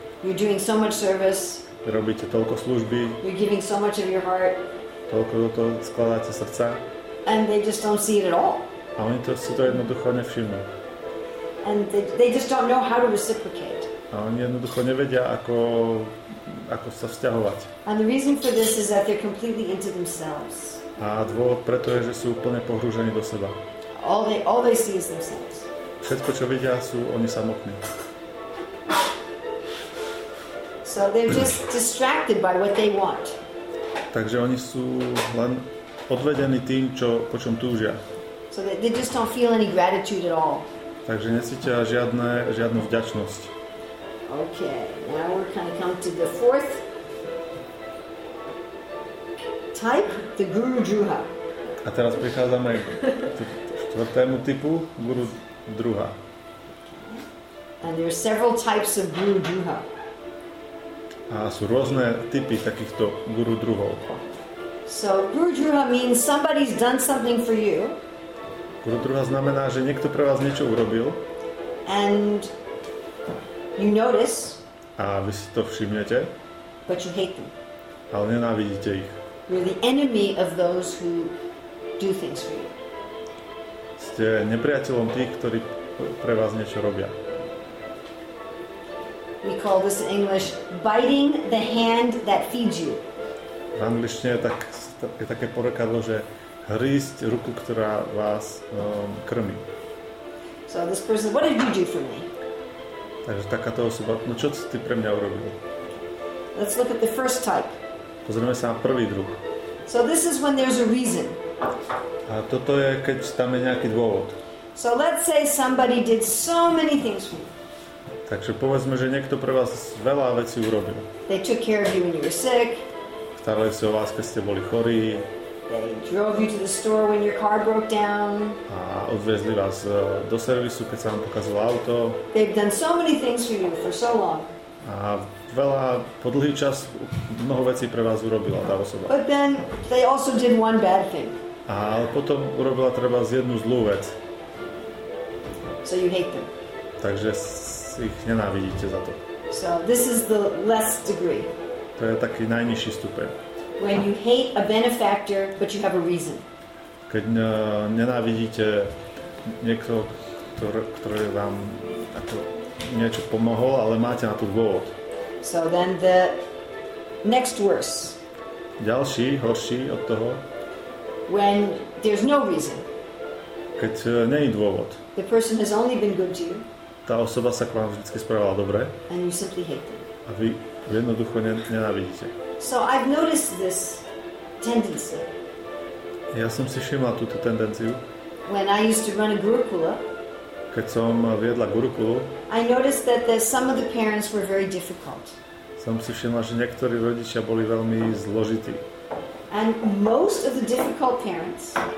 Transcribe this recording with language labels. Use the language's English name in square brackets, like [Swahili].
[English] You're doing so much service. [Slovak] Robíte toľko služby. [English] You're giving so much of your heart. [Slovak] Toľko do toho skladáte srdca. [English] And they just don't see it at all. [Slovak] A oni si to jednoducho nevšimnú. [English] And they just don't know how to reciprocate. [Slovak] A oni jednoducho nevedia, ako sa vzťahovať. [English] And the reason for this is that they're completely into themselves. [Slovak] A dôvod preto je, že sú úplne pohrúžení do seba. [English] All they see is themselves. [Slovak] Všetko, čo vidia, sú oni samotní. [English] So they're just distracted by what they want. [Slovak] Takže oni sú len odvedení tým, po čom túžia. [English] So they just don't feel any gratitude at all. [Slovak] Takže necítia žiadnu vďačnosť. [English] Okay, now we're kind of come to the fourth type, the Guru Druha. [Slovak] A teraz prichádzame k štvrtému typu, Guru Druha. [English] And there are several types of Guru Druha. [Slovak] A sú rôzne typy takýchto guru druhov. [English] So guru druha means somebody's done something for you. [Slovak] Guru druha znamená, že niekto pre vás niečo urobil. [English] And you notice. [Slovak] A vy si to všimnete. [English] But you hate them. [Slovak] Ale nenávidíte ich. [English] You're the enemy of those who do things for you. [Slovak] Ste nepriateľom tých, ktorí pre vás niečo robia. [English] We call this in English biting the hand that feeds you. [Slovak] V angličtine je také porekadlo, že hrísť ruku, ktorá vás krmí. [English] So this person, what did you do for me? [Slovak] Takže takáto osoba, no čo si ty pre mňa urobil? [English] Let's look at the first type. [Slovak] Pozrieme sa na prvý druh. [English] So this is when there's a reason. [Slovak] A toto je, keď tam je nejaký dôvod. [English] So let's say somebody did so many things for me. [Slovak] Takže povedzme, že niekto pre vás veľa vecí urobil. [English] They took care of you when you were sick. [Slovak] Starali sa o vás, keď ste boli chorí. [English] They drove you to the store when your car broke down. [Slovak] A odviezli vás do servisu, keď sa vám pokazilo auto. [English] They've done so many things for you for so long. [Slovak] A veľa, po dlhý čas mnoho vecí pre vás urobila tá osoba. [English] But then they also did one bad thing. [Slovak] A potom urobila treba jednu zlú vec. [English] So you hate them. [Slovak] Takže ich nenávidíte za to. [English] So this is the less degree. [Slovak] To je taký najnižší stupeň. [English] When you hate a benefactor, but you have a reason. [Slovak] Keď nenávidíte niekoho, ktorý vám ako niečo pomohol, ale máte na to dôvod. [English] So then the next verse. [Slovak] Ďalší, horší od toho. [English] When there's no reason. [Slovak] Keď nie je dôvod. [English] The person has only been good to you. [Slovak] Tá osoba sa k vám vždycky správala dobre. [English] And you simply hate them. [Slovak] A vy jednoducho nenávidíte. [English] So I've noticed this tendency. [Slovak] Ja som si všimla túto tendenciu. [English] When I used to run a gurukula. [Slovak] Keď som viedla gurukulu. [English] I noticed that some of the parents were very difficult. [Slovak] Som si všimla, že niektorí rodičia boli veľmi zložití. [English] And most of the difficult parents.